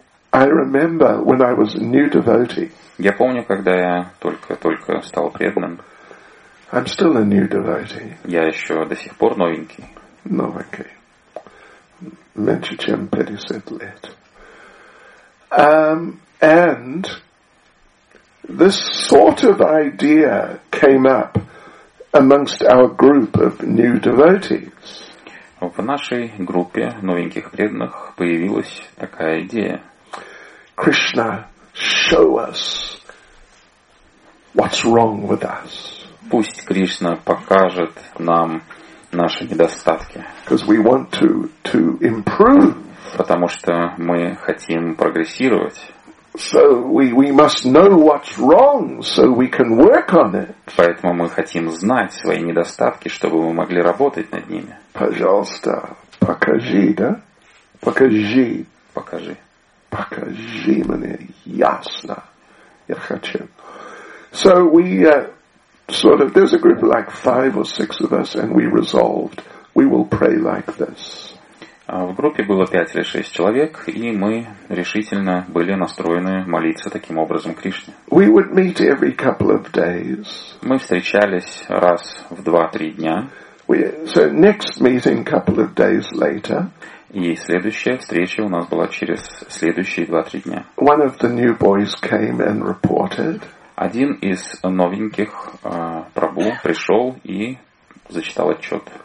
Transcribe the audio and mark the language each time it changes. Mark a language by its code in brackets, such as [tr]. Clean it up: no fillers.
[en] I remember when I was a new devotee. [ru] Я помню, когда я только стал преданным. [en] I'm still a new devotee. [ru] Я еще до сих пор новенький. Новенький. Меньше, чем 50 лет. [en] And this sort of idea came up amongst our group of new devotees. [ru] В нашей группе новеньких преданных появилась такая идея. [en] Krishna, show us what's wrong with us. [ru] Пусть Кришна покажет нам наши недостатки. [en] Because we want to improve. [ru] Потому что мы хотим прогрессировать. [en] So we must know what's wrong, so we can work on it. [ru] Поэтому мы хотим знать свои недостатки, чтобы мы могли работать над ними. Пожалуйста, покажи, да? Покажи. Покажи. Покажи мне ясно. Я хочу. [en] So we sort of there's a group like 5 or 6 of us, and we resolved we will pray like this. [ru] В группе было 5 или 6 человек, и мы решительно были настроены молиться таким образом Кришне. [en] We would meet every couple of days. [ru] Мы встречались раз в 2-3 дня. [en] So next meeting couple of days later. [ru] И следующая встреча у нас была через следующие 2-3 дня. [en] One of the new boys came and reported. [ru] Один из новеньких прабу пришел и зачитал отчет.